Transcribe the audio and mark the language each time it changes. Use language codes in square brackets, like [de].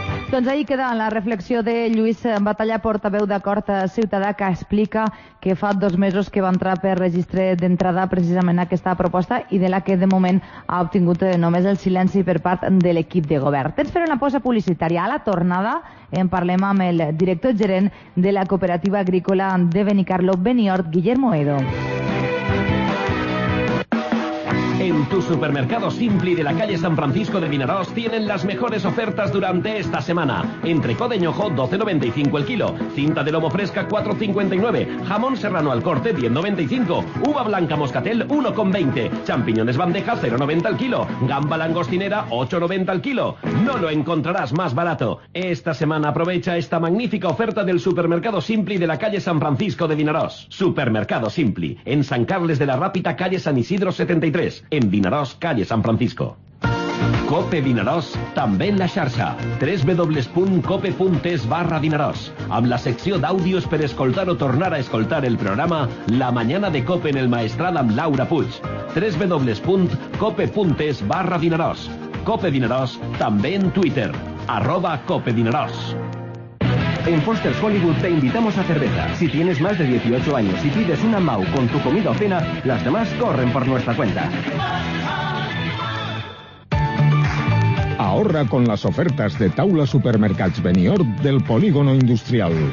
[ca] Doncs ahir queda la reflexió de Lluís Batallà, portaveu d'Acord Ciutadà, que explica que fa 2 mesos que va entrar per registre d'entrada precisament aquesta proposta i de la que de moment ha obtingut només el silenci per part de l'equip de govern. Tens fer una pausa publicitària. A la tornada en parlem amb el director gerent de la cooperativa agrícola de Benicarló, Beniort, Guillermo Edo. [es] En tu supermercado Simpli de la calle San Francisco de Vinaroz tienen las mejores ofertas durante esta semana. Entrecó de ñojo, 12,95 el kilo. Cinta de lomo fresca, 4,59. Jamón serrano al corte, 10,95. Uva blanca moscatel, 1,20. Champiñones bandeja, 0,90 el kilo. Gamba langostinera, 8,90 el kilo. No lo encontrarás más barato. Esta semana aprovecha esta magnífica oferta del supermercado Simpli de la calle San Francisco de Vinaroz. Supermercado Simpli, en San Carles de la Rápita, calle San Isidro 73. En Vinaròs, calle San Francisco. [ca] Cope Vinaròs, també en la xarxa. www.cope.es/Vinaròs. Amb la secció d'àudios per escoltar o tornar a escoltar el programa La Mañana de Cope en el Maestrat amb Laura Puig. www.cope.es/Vinaròs. Cope Vinaròs, també en Twitter. [es] @CopeVinaròs. En Foster's Hollywood te invitamos a cerveza. Si tienes más de 18 años y pides una MAU con tu comida o cena, las demás corren por nuestra cuenta. Ahorra con las ofertas de Taula Supermercats Benior del Polígono Industrial.